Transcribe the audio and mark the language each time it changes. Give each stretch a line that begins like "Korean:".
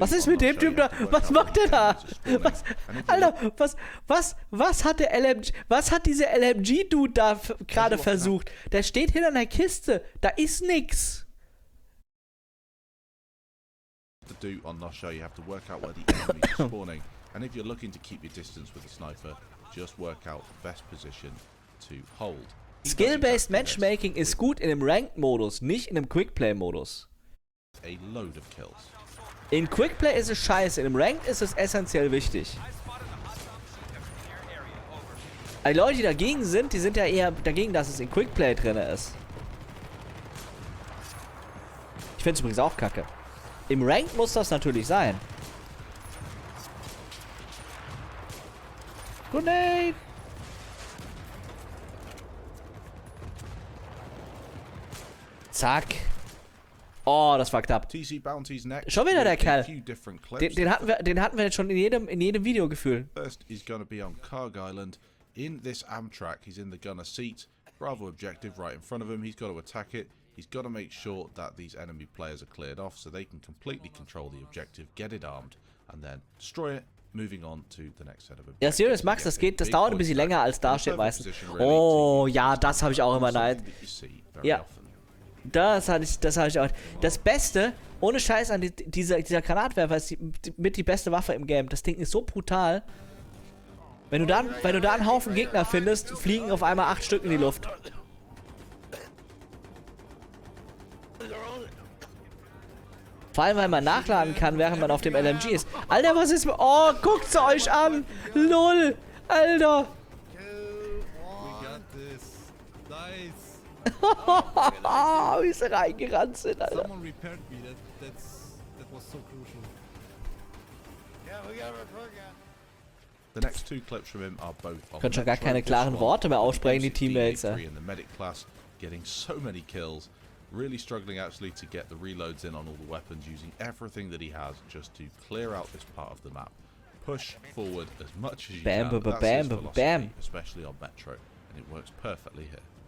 German: Was ist mit dem Typ da? Was macht der da? Was, Alter, was hat der LMG, was hat dieser LMG-Dude da gerade versucht? Der steht hinter einer Kiste. Da ist nix.
English: To do on the show, you have to work out where the enemy is spawning. And if you're looking to keep your distance with a sniper, just work out the best position to hold.
German: Skill-based matchmaking ist gut in einem Ranked-Modus, nicht in einem Quick-Play-Modus.
English: A load of kills.
German: In Quickplay ist es scheiße, in einem Ranked ist es essentiell wichtig. Die Leute, die dagegen sind, die sind ja eher dagegen, dass es in Quickplay drin ist. Ich finde es übrigens auch kacke. Im Ranked muss das natürlich sein.
English: Grenade!
German: Zack! Oh, das war knapp.
English: TC Bounty's next.
German: Schon wieder der Kerl. Den hatten wir jetzt schon in jedem Video gefühlt.
English: First is going to be on Karg Island in this Amtrak. He's in the gunner seat. Bravo objective right in front of him. He's got to attack it. He's got to make sure that these enemy players are cleared off so they can completely control the objective, get it armed and then destroy it. Moving on to the next set of objectives.
German: Ja, serious Max, das geht, das dauert ein bisschen länger als da steht meistens. Oh, ja, das habe ich auch immer neid. Ja. Das hatte ich auch. Das Beste, ohne Scheiß, an dieser Granatwerfer ist die beste Waffe im Game. Das Ding ist so brutal. Wenn du da einen Haufen Gegner findest, fliegen auf einmal 8 Stück in die Luft. Vor allem, weil man nachladen kann, während man auf dem LMG ist. Alter, was ist... Oh, guckt's euch an! Lol! Alter! Oh, wie sie reingerannt sind, Alter.
English: Someone repaired me. That was so crucial. Yeah, we got a repair guy. The next two clips from him are both on.
German: Können schon gar keine klaren Worte mehr aussprechen, die Teammates.
English: D3 in the medic class, getting so many kills. Really struggling actually to get the reloads in on all the weapons, using everything that he has just to clear out this part of the map. Push forward as much as you bam, can. Bam, bam, bam, bam, bam. Especially on Metro, and it works perfectly here.